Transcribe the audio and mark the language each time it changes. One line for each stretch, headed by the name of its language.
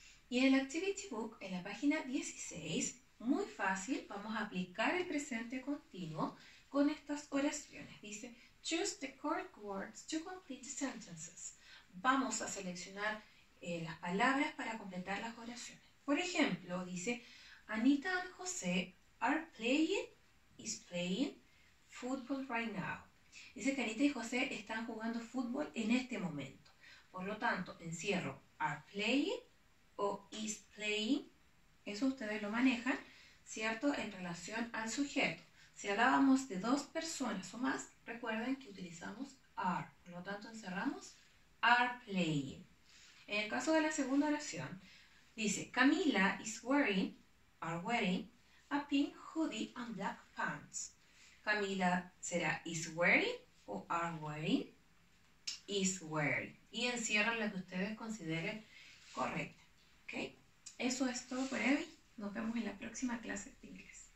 Spanish: Y en el Activity Book, en la página 16, muy fácil, vamos a aplicar el presente continuo con estas oraciones. Dice,
English: choose the correct words to complete the sentences.
Spanish: Vamos a seleccionar las palabras para completar las oraciones. Por ejemplo, dice,
English: Anita and José are playing, is playing football right now.
Spanish: Dice que Anita y José están jugando fútbol en este momento. Por lo tanto, encierro
English: are playing
Spanish: o
English: is playing.
Spanish: Eso ustedes lo manejan, ¿cierto? En relación al sujeto. Si hablábamos de dos personas o más, recuerden que utilizamos are. Por lo tanto, encerramos
English: are playing.
Spanish: En el caso de la segunda oración, dice,
English: Camila is wearing, are wearing, a pink hoodie and black pants.
Spanish: Camila será
English: is wearing
Spanish: o
English: are wearing, is wearing.
Spanish: Y encierran la que ustedes consideren correcta. ¿Okay? Eso es todo por hoy. Nos vemos en la próxima clase de inglés.